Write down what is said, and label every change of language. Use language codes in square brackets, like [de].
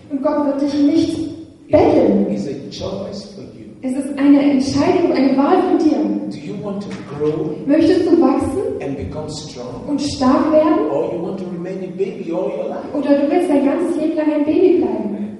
[de] Und Gott wird dich nicht betteln. [en] It's a choice for you. [de] Es ist eine Entscheidung, eine Wahl von dir. [en] Do you want to grow? [de] Möchtest du wachsen? [en] And become strong? [de] Und stark werden? [en] Or you want to remain a baby all your life? [de] Oder du willst dein ganzes Leben lang ein Baby bleiben?